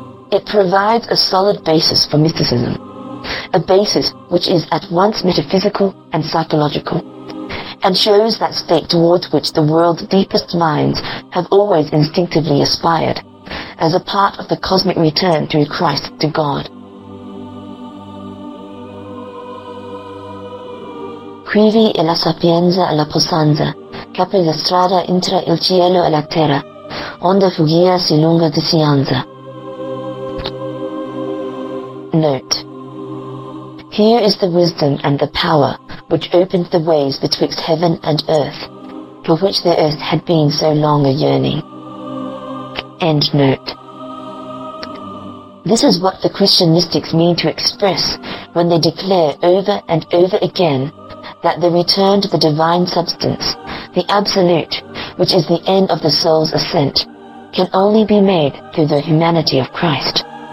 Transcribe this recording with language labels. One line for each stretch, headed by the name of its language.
English: It provides a solid basis for mysticism, a basis which is at once metaphysical and psychological, and shows that state towards which the world's deepest minds have always instinctively aspired, as a part of the cosmic return through Christ to God.
Italian: Quivi e la sapienza e la possanza, capi la strada intra il cielo e la terra, onde fugia si lunga disianza.
English: Note. Here is the wisdom and the power which opened the ways betwixt heaven and earth, for which the earth had been so long a yearning. End note. This is what the Christian mystics mean to express when they declare over and over again that the return to the divine substance, the absolute, which is the end of the soul's ascent, can only be made through the humanity of Christ.